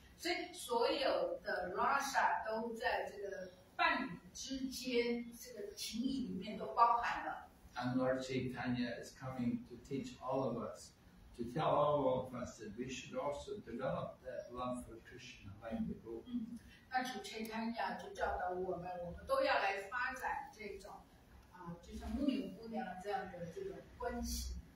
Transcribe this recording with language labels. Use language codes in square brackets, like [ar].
[zh] 所以所有的 rasa 都在这个伴侣之间这个情谊里面都包含了。 [en] And Lord Chaitanya is coming to teach all of us, to tell all of us that we should also develop that love for Krishna like the gopis。 [zh] 那主 Chaitanya 就教导我们，我们都要来发展这种。就像牧牛姑娘这样的这种关系。